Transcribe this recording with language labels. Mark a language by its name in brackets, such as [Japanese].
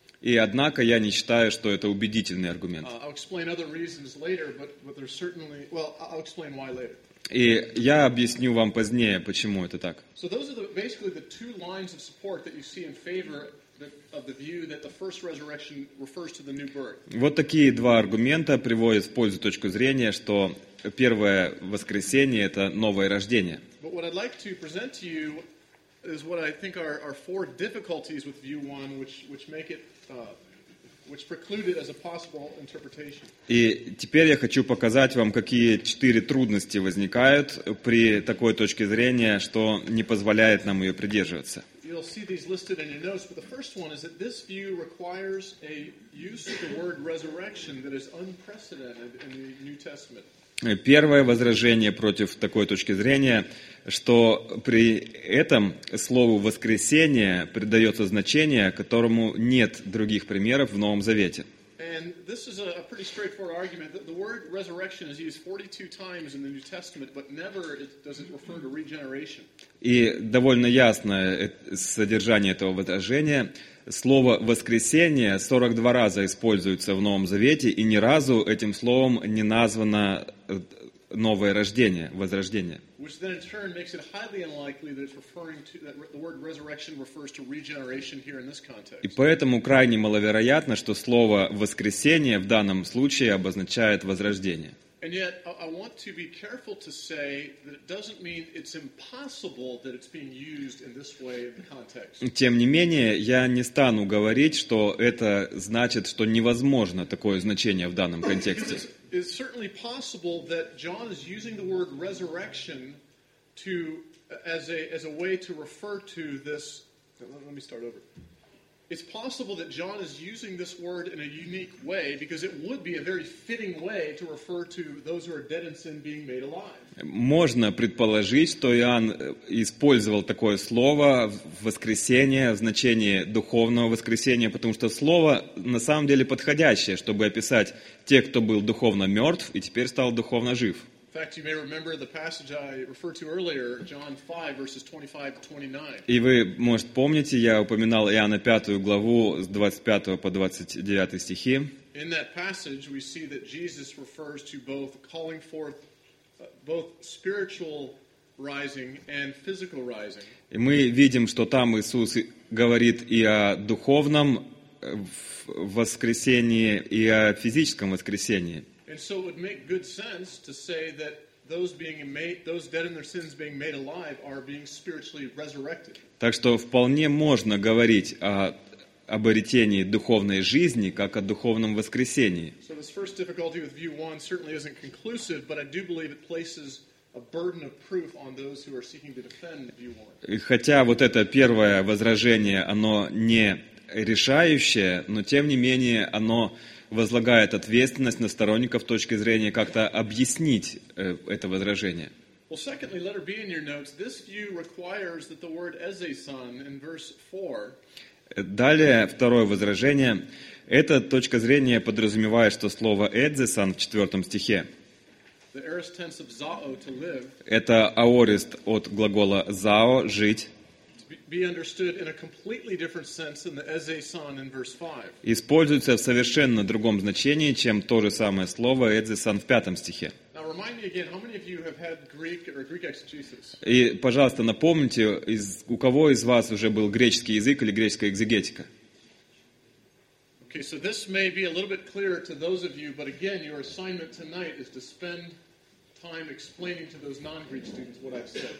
[Russian] И однако я не считаю, что это убедительный аргумент. [English] I'll explain other reasons later, but there's certainly, well, I'll explain why later. [Russian] И я объясню вам позднее, почему это так. [English] So those are basically the two lines of support that you see in favor of the view that the first resurrection refers to the new birth. [Russian] Вот такие два аргумента приводят в пользу точку зрения, что первое воскресение это новое рождение. [English] But what I'd like to present to you is what I think are four difficulties with view one, which make it which preclude it as a possible interpretation. [Russian] И теперь я хочу показать вам, какие четыре трудности возникают при такой точке зрения, что не позволяет нам ее придерживаться. [English] You'll see these listed in your notes, but the first one is that this view requires a use of the word resurrection that is unprecedented in the New Testament. [Russian] Первое возражение против такой точки зрения, что при этом слову «воскресение» придается значение, которому нет других примеров в Новом Завете. [English] And this is a pretty straightforward argument. The word resurrection is used 42 times in the New Testament, but never does it refer to regeneration. [Russian] И довольно ясно содержание этого выражения. Слово «воскресение» 42 раза используется в Новом Завете, и ни разу этим словом не названо новое рождение, возрождение. [English] Which then in turn makes it highly unlikely that it's referring to that the word resurrection refers to regeneration here in this context. [Russian] И поэтому крайне маловероятно, что слово воскресение в данном случае обозначает возрождение. [English] And yet I want to be careful to say that it doesn't mean it's impossible that it's being used in this way in the context. [Russian] Тем не менее, я не стану говорить, что это значит, что невозможно такое значение в данном контексте. [English] It's certainly possible that John is using the word resurrection to as a way to refer to this. Let me start over. It's possible that John is using this word in a unique way because it would be a very fitting way to refer to those who are dead in sin being made alive. [Russian] Можно предположить, что Иоанн использовал такое слово «воскресение» в значении духовного воскресения, потому что слово на самом деле подходящее, чтобы описать тех, кто был духовно мертв и теперь стал духовно жив. [English] In fact, you may remember the passage I referred to earlier, John 5, verses 25 to 29. [Russian] И вы, может, помните, я упоминал Иоанна 5 главу с 25 по 29 стихи. [English] In that passage, we see that Jesus refers to both calling forth, both spiritual rising and physical rising. [Russian] И мы видим, что там Иисус говорит и о духовном воскресении, и о физическом воскресении. [English] And so it would make good sense to say that those dead in their sins being made alive are being spiritually resurrected. [Russian] Так что вполне можно говорить о обретении духовной жизни как о духовном воскресении. [English] So this first difficulty with view one certainly isn't conclusive, but I do believe it places a burden of proof on those who are seeking to defend view one. [Russian] Хотя вот это первое возражение, оно не решающее, но тем не менее оно возлагает ответственность на сторонников с точки зрения как-то объяснить это возражение. [English] Well, secondly, letter B in your notes, this view requires that the word eisen in verse 4. [Russian] Далее, второе возражение. Эта точка зрения подразумевает, что слово «эдзесан» в 4 стихе [English] the aorist tense of zao, to live, [Russian] это аорист от глагола «зао» – «жить». [English] Be understood in a completely different sense than the ezesan in verse 5. [Russian] Используется в совершенно другом значении, чем то же самое слово ezesan в 5 стихе. [English] Now remind me again, how many of you have had Greek or Greek exegesis? [Russian] И, пожалуйста, напомните, у кого из вас уже был греческий язык или греческая экзегетика? [English] Okay, so this may be a little bit clearer to those of you, but again, your assignment tonight is to spend time explaining to those non-Greek students what I've said.